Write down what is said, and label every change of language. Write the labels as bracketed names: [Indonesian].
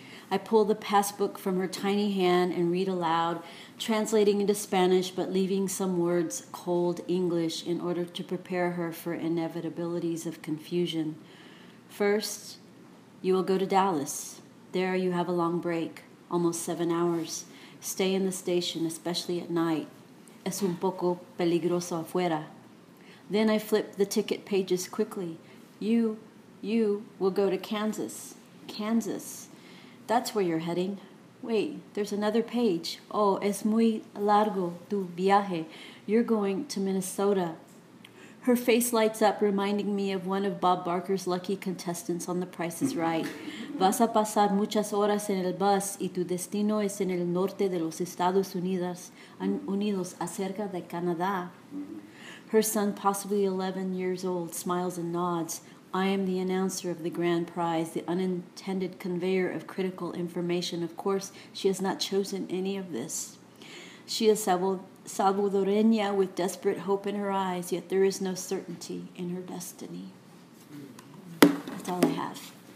[English] I pull the passbook from her tiny hand and read aloud, translating into Spanish but leaving some words cold English in order to prepare her for inevitabilities of confusion. First, you will go to Dallas. There you have a long break, almost 7 hours. Stay in the station, especially at night. [Spanish] Es un poco peligroso afuera. [English] Then I flip the ticket pages quickly. You will go to Kansas. Kansas. That's where you're heading. Wait, there's another page. Oh, [Spanish] es muy largo tu viaje. [English] You're going to Minnesota. Her face lights up, reminding me of one of Bob Barker's lucky contestants on The Price is Right. [Spanish] Vas a pasar muchas horas en el bus y tu destino es en el norte de los Estados Unidos, Unidos acerca de Canadá. [English] Her son, possibly 11 years old, smiles and nods. I am the announcer of the grand prize, the unintended conveyor of critical information. Of course, she has not chosen any of this. She is Salvadoreña with desperate hope in her eyes, yet there is no certainty in her destiny. That's all I have.